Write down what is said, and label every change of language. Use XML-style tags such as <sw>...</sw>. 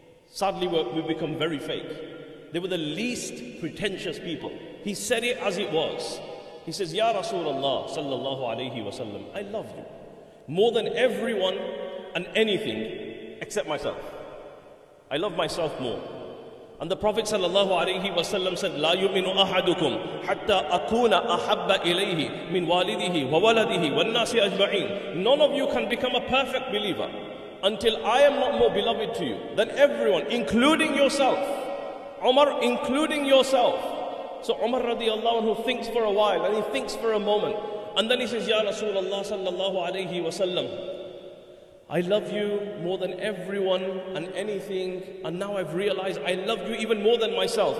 <en>Sadly, we've become very fake. They were the least pretentious people. He said it as it was. He says, Ya Rasulullah sallallahu alayhi wa sallam, I love you more than everyone and anything except myself. I love myself more.</en> <ar>And the Prophet sallallahu alayhi wa sallam said, لا يؤمن أحدكم حتى أكون أحب إليه من والده وولده والناس أجمعين.</ar> <en>None of you can become a perfect believer until I am not more beloved to you than everyone, including yourself. Umar, including yourself. So Umar radiallahu anhu thinks for a while and he thinks for a moment. And then he says, Ya Rasulullah sallallahu alayhi wa sallam, I love you more than everyone and anything, and now I've realized I love you even more than myself.</en>